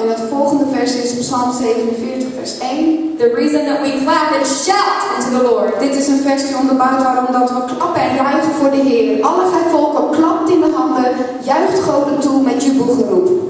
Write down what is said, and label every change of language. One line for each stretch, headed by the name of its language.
Dutch: En het volgende vers is Psalm 47 vers 1.
English: The reason that we clap and shout unto the Lord.
Dutch: Dit is een vers die onderbouwt waarom dat we klappen en juichen voor de Heer. Alle vijf volken klapt in de handen, juicht God hem toe met jubelgeroep.